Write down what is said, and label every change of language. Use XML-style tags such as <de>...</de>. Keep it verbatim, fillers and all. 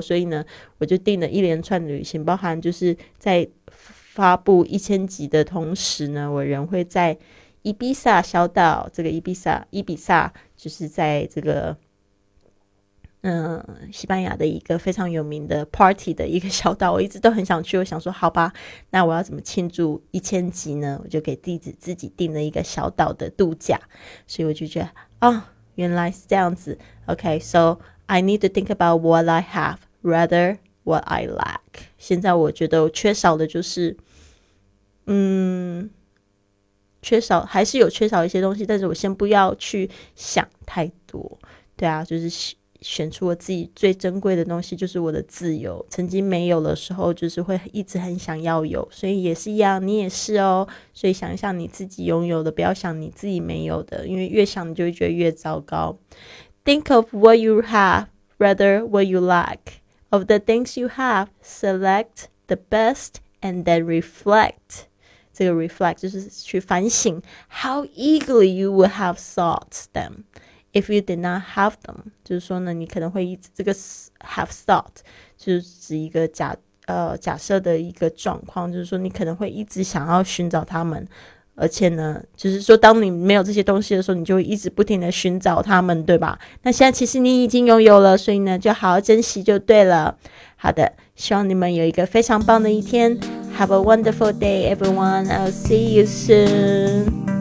<zh>所以呢，我就订了一连串旅行，包含就是在发布一千集的同时呢，我人会在伊比萨小岛，这个伊比萨伊比萨就是在这个嗯，西班牙的一个非常有名的 party 的一个小岛，我一直都很想去。我想说好吧，那我要怎么庆祝一千集呢？我就给弟子自己订了一个小岛的度假。所以我就觉得哦，原来是这样子。</zh> <en>OK, so I need to think about what I have rather what I lack。</en> <zh>现在我觉得我缺少的就是嗯缺少还是有缺少一些东西，但是我先不要去想太多。对啊，就是选出我自己最珍贵的东西，就是我的自由。曾经没有的时候，就是会一直很想要有，所以也是一样，你也是哦。所以想一想你自己拥有的，不要想你自己没有的，因为越想你就会觉得越糟糕。</zh> <en>Think of what you have rather what you lack. Of the things you have, select the best and then reflect.</en> <zh>这个 reflect 就是去反省</zh> <en>How eagerly you would have sought them if you did not have them，</en> <zh>就是说呢，你可能会一直这个</zh> <en>have thought</en> <zh>就是指一个假呃假设的一个状况，就是说你可能会一直想要寻找他们，而且呢就是说当你没有这些东西的时候，你就会一直不停的寻找他们，对吧？那现在其实你已经拥有了，所以呢就好好珍惜就对了。好的，希望你们有一个非常棒的一天。</zh> <en>Have a wonderful day, everyone. I'll see you soon.</en>